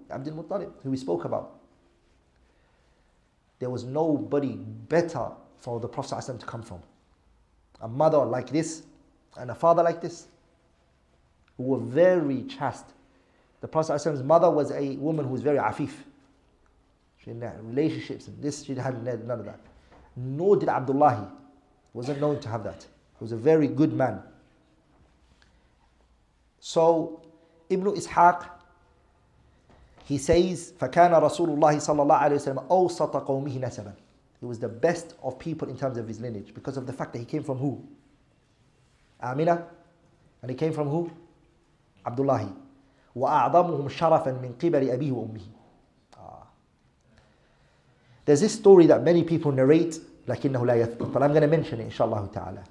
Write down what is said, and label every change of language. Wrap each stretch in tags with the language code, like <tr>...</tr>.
<en>Abdul Muttalib, who we spoke about. There was nobody better for the Prophet sallallahu alaihi wasallam to come from. A mother like this and a father like this, who were very chaste. The Prophet sallallahu alaihi wasallam's mother was a woman who was very afif. She didn't have relationships and this, she had none of that. Nor did Abdullah, wasn't known to have that. He was a very good man. So Ibn Ishaq, he says,</en> <ar>فَكَانَ رَسُولُ اللَّهِ صَلَّى اللَّهُ عَلَيْهِ وَسَلَّمَ أَوْسَطَ قَوْمِهِ نَسَبًا.</ar> <en>He was the best of people in terms of his lineage because of the fact that he came from who? Amina. And he came from who? Abdullah.</en> <ar>وَأَعْظَمُهُمْ شَرَفًا مِنْ قِبَلِ أَبِيهِ وَأُمِّهِ.</ar> <en>There's this story that many people narrate,</en> <ar>لَكِنَّهُ لَا يَثْبُتُ.</ar> <en>But I'm going to mention it, inshallah ta'ala.</en>